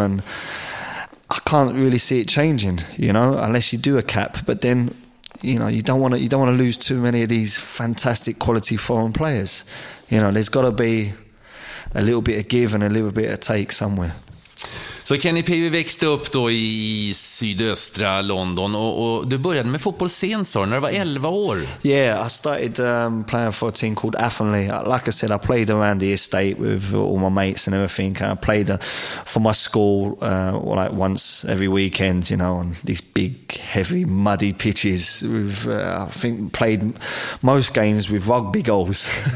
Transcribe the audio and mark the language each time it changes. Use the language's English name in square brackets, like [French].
[English] And I can't really see it changing, you know, unless you do a cap. But then, you know, you don't want to lose too many of these fantastic quality foreign players. You know, there's got to be a little bit of give and a little bit of take somewhere. [Swedish] Så Kenny Pivey växte upp då i sydöstra London, och du började med fotboll sent, så när du var 11 år. [English] Yeah, I started playing for a team called Athenley. Like I said, I played around the estate with all my mates and everything. I played for my school like once every weekend, you know, on these big, heavy, muddy pitches. I think played most games with rugby goals.